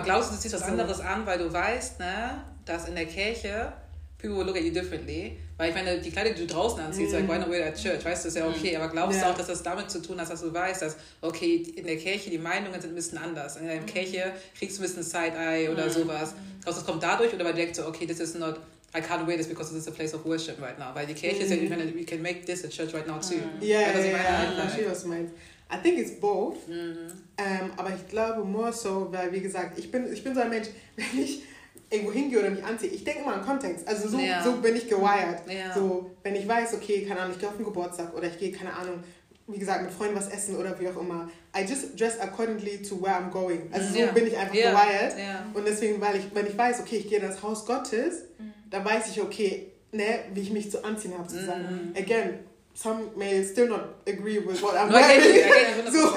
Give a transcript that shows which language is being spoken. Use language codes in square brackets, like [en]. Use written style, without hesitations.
[de] Aber glaubst du, du ziehst was anderes an, weil du weißt, ne, dass in der Kirche [en] people will look at you differently. [de] Weil ich meine, die Kleider, die du draußen anziehst, like, [en] why not wear at church? [de] Weißt du, ist ja okay. Aber glaubst du auch, dass das damit zu tun hat, dass du weißt, dass, okay, in der Kirche die Meinungen sind ein bisschen anders. In der Kirche kriegst du ein bisschen Side-Eye oder sowas. Glaubst du, das kommt dadurch? Oder weil du denkst so, [en] okay, this is not, I can't wear this because this is a place of worship right now. [de] Weil die Kirche ist ja, ich meine, [en] we can make this a church right now too. I think it's both. [de] Aber ich glaube [en] more so, [de] weil, wie gesagt, ich bin so ein Mensch, wenn ich irgendwo hingehe oder mich anziehe. Ich denke immer an Kontext. Also so, so bin ich gewired. So, wenn ich weiß, okay, keine Ahnung, ich gehe auf einen Geburtstag oder ich gehe, keine Ahnung, wie gesagt, mit Freunden was essen oder wie auch immer. [en] I just dress accordingly to where I'm going. [de] Also so bin ich einfach gewired. Und deswegen, wenn ich weiß, okay, ich gehe in das Haus Gottes, dann weiß ich, okay, ne, wie ich mich zu anziehen habe, sozusagen. [en] Again, some may still not agree with what I'm wearing.